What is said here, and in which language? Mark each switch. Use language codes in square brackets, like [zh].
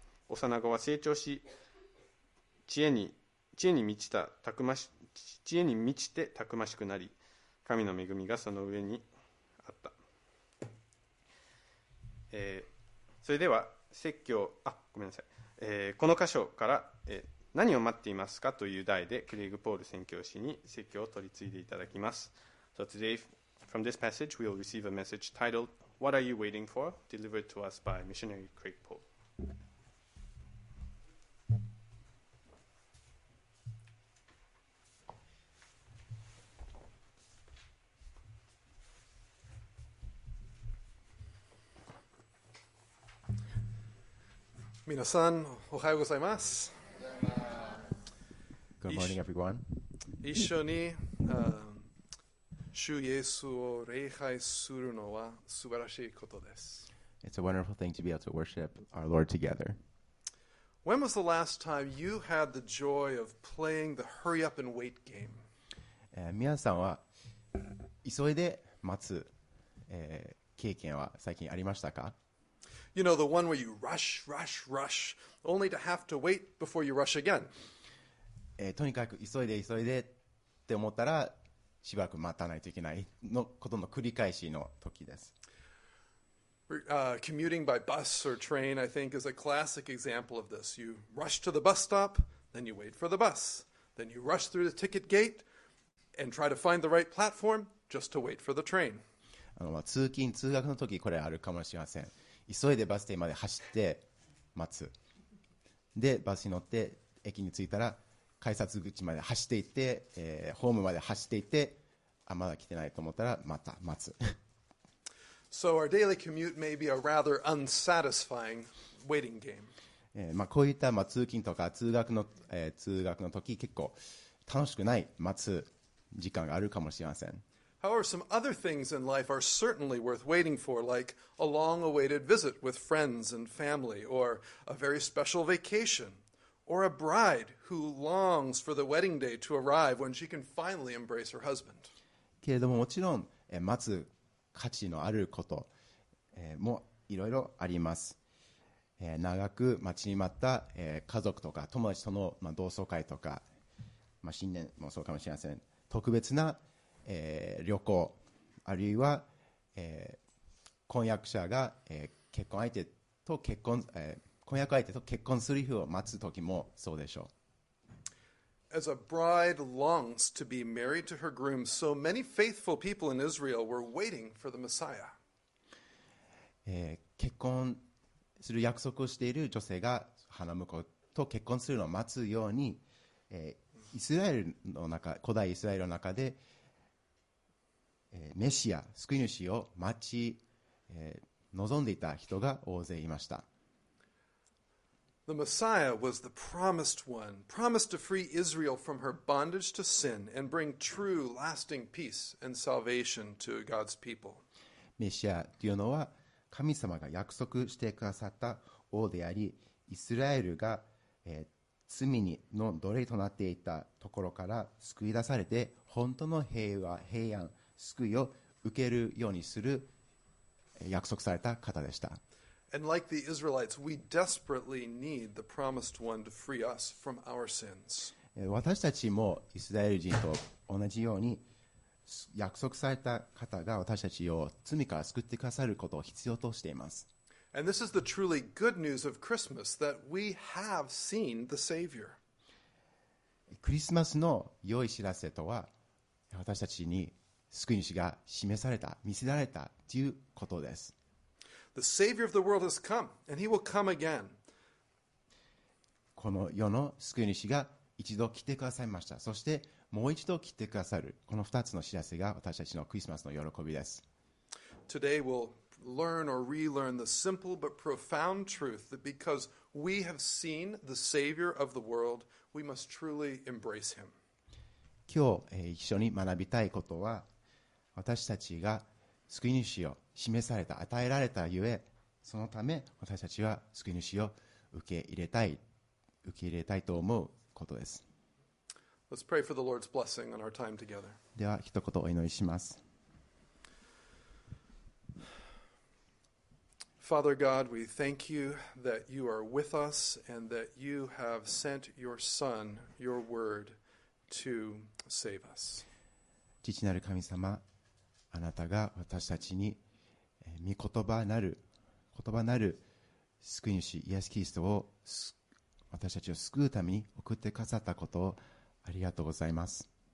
[ja] 幼子は成長し、知恵に満ちてたくましくなり、神の恵みがその上にあった。それでは説教、ごめんなさい、この箇所から、何を待っていますかという題でクレイグ・ポール宣教師に説教を取り継いでいただきます。 [en] So today, from this passage, we will receive a message titled What Are You Waiting For? Delivered to us by Missionary Craig Paul. [ja] みなさん、おはようございます。 [en] Good morning, everyone. [ja] 一緒に、主イエスを礼拝するのは素晴らしいことです。 [en] It's a wonderful thing to be able to worship our Lord together. When was the last time you had the joy of playing the hurry up and wait game? [ja] 皆さんは急いで待つ、経験は最近ありましたか? [en] You know, the one where you rush, rush, rush, only to have to wait before you rush again. [ja] とにかく急いで急いでって思ったらしばらく待たないといけないのことの繰り返しの時です。 [en] Commuting by bus or train, I think, is a classic example of this. You rush to the bus stop, then you wait for the bus, then you rush through the ticket gate and try to find the right platform just to wait for the train. [ja] 通勤通学の時これあるかもしれません。急いでバス停まで走って待つ。でバスに乗って駅に着いたら改札口まで走っていって、ホームまで走っていって、あまだ来てないと思ったらまた待つ。 [en] So our daily commute may be a rather unsatisfying waiting game. [ja] まあこういったまあ通勤とか通学の、通学の時結構楽しくない待つ時間があるかもしれません。 [en] However, some other things in life are certainly worth waiting for, like a long-awaited visit with friends and family, or a very special vacation, or a bride who longs for the wedding day to arrive when she can finally embrace her husband. [ja] けれどももちろん、待つ価値のあること、もいろいろあります、長く待ちに待った、家族とか友達との、まあ、同窓会とか、まあ、新年もそうかもしれません特別な、旅行あるいは、婚約者が、結婚相手と結婚、婚約相手と結婚する日を待つ時もそうでしょう [en] As a bride longs to be married to her groom, so many faithful people in Israel were waiting for the Messiah. [ja] 結婚する約束をしている女性が花婿と結婚するのを待つように、イスラエルの中、古代イスラエルの中で、メシア、救い主を待ち、望んでいた人が大勢いました。 [en] The Messiah was the promised one, promised to free Israel from her bondage to sin and bring true lasting peace and salvation to God's people. [ja] メシアというのは神様が約束してくださった王であり、イスラエルが、罪の奴隷となっていたところから救い出されて、本当の平和、平安、救いを受けるようにする、約束された方でした。 [en] And like the Israelites, we desperately need the promised one to free us from our sins. [ja] 私たちもイスラエル人と同じように約束された方が私たちを罪から救ってくださることを必要としています。 [en] And this is the truly good news of Christmas that we have seen the Savior. [ja] クリスマスの良い知らせとは私たちに救い主が示された、見せられたということです。 [en] The Savior of the world has come, and He will come again. [ja] この世の救い主が一度来てくださいました。そしてもう一度来てくださる。この二つの知らせが私たちのクリスマスの喜びです。 [en] Today we'll learn or relearn the simple but profound truth that because we have seen the Savior of the world, we must truly embrace Him. [ja] 今日、一緒に学びたいことは、私たちが救い主を示された与えられたゆえそのため私たちは救い主を受け入れたい受け入れたいと思うことです [en] Let's pray for the Lord's blessing on our time together. [ja] では一言お祈りします [en] Father God, we thank you that you are with us and that you have sent your Son, your Word to save us [ja] 父なる神様あなたが私たちに御言葉なる言葉なる救い主イエス・キリストを私たちを救うために送ってくださったことをありがとうございます。